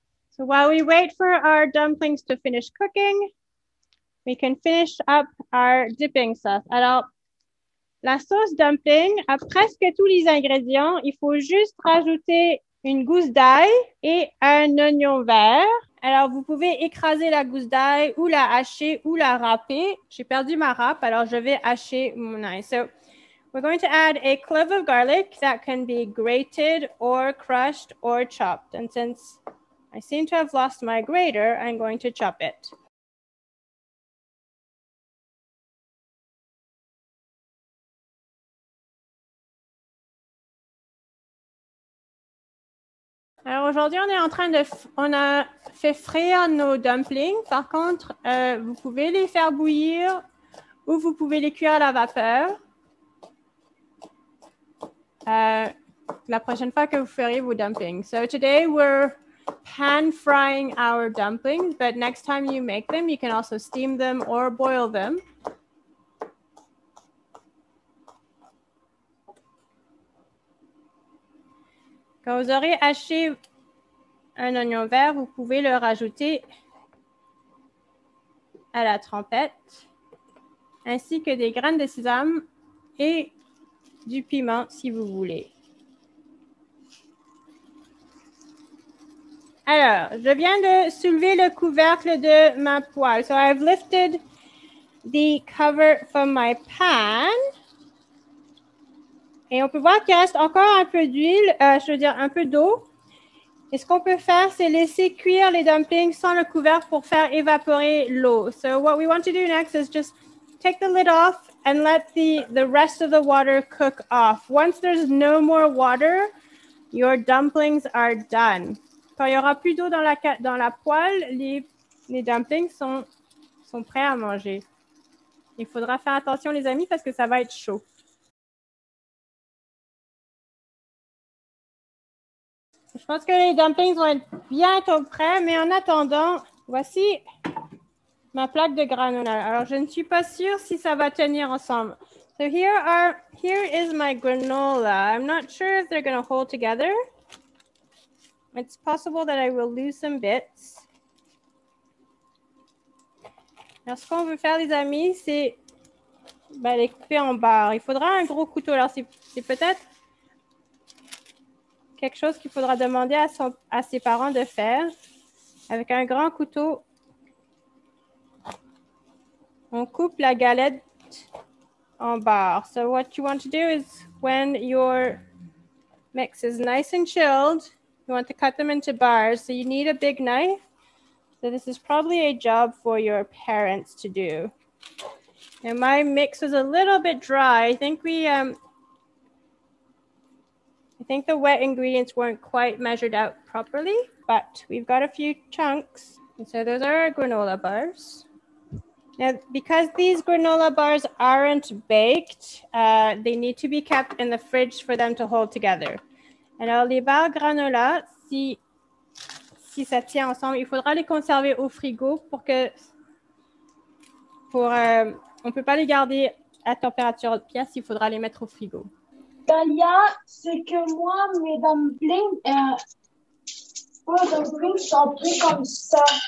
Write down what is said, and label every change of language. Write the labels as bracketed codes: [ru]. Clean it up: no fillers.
[en] So while we wait for our dumplings to finish cooking, we can finish up our dipping sauce. [fr] Alors, la sauce dumpling a presque tous les ingrédients. Il faut juste rajouter une gousse d'ail et un oignon vert. Alors, vous pouvez écraser la gousse d'ail ou la hacher ou la râper. J'ai perdu ma râpe, alors je vais hacher mon ail. [en] So, we're going to add a clove of garlic that can be grated or crushed or chopped. And since I seem to have lost my grater, I'm going to chop it. [fr] Alors aujourd'hui, on a fait frire nos dumplings. Par contre, vous pouvez les faire bouillir ou vous pouvez les cuire à la vapeur. La prochaine fois que vous ferez vos dumplings. [en] So today we're pan frying our dumplings, but next time you make them, you can also steam them or boil them. [fr] Quand vous aurez haché un oignon vert, vous pouvez le rajouter à la trompette, ainsi que des graines de sésame et du piment si vous voulez. Alors, je viens de soulever le couvercle de ma poêle. [en] So I've lifted the cover from my pan. [fr] Et on peut voir qu'il reste encore un peu d'huile, un peu d'eau. Et ce qu'on peut faire, c'est laisser cuire les dumplings sans le couvercle pour faire évaporer l'eau. [en] So what we want to do next is just take the lid off and let the rest of the water cook off. Once there's no more water, your dumplings are done. [fr] Quand il n'y aura plus d'eau dans la poêle, les dumplings sont prêts à manger. Il faudra faire attention, les amis, parce que ça va être chaud. Je pense que les dumplings vont être bientôt prêts, mais en attendant, voici ma plaque de granola. Alors, je ne suis pas sûre si ça va tenir ensemble. [en] So here is my granola. I'm not sure if they're going to hold together. It's possible that I will lose some bits. [fr] Alors, ce qu'on veut faire, les amis, c'est les couper en barres. Il faudra un gros couteau. Alors, c'est peut-être quelque chose qu'il faudra demander à ses parents de faire. Avec un grand couteau, on coupe la galette en barres. [en] So what you want to do is when your mix is nice and chilled, you want to cut them into bars. So you need a big knife. So this is probably a job for your parents to do. And my mix was a little bit dry. I think the wet ingredients weren't quite measured out properly, but we've got a few chunks. And so those are our granola bars. Now, because these granola bars aren't baked, they need to be kept in the fridge for them to hold together. [fr] Alors, les barres granola, si ça tient ensemble, il faudra les conserver au frigo on ne peut pas les garder à température haute pièce, il faudra les mettre au frigo. Dalia, c'est que moi, mes dumplings sont pris comme ça.